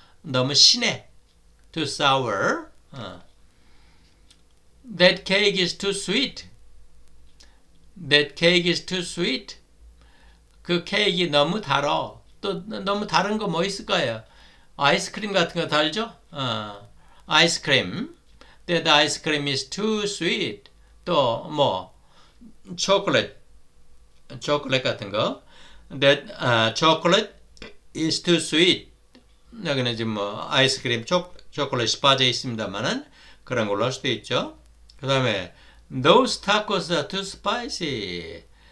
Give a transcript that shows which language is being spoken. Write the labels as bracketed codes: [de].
[ko] 너무 신해. [en] Too sour. That cake is too sweet. That cake is too sweet. [ko] 그 케이크 너무 달어. 또 너무 다른 거뭐 있을까요? 아이스크림 같은 거 달죠? 아이스크림. [en] That ice cream is too sweet. [ko] 또, 뭐, 초콜릿 같은 거. [en] That chocolate is too sweet. [ko] 여기는 지금 뭐, 아이스크림, 초콜릿이 빠져 있습니다만은 그런 걸로 할 수도 있죠. 그 다음에, [en] Those tacos are too spicy.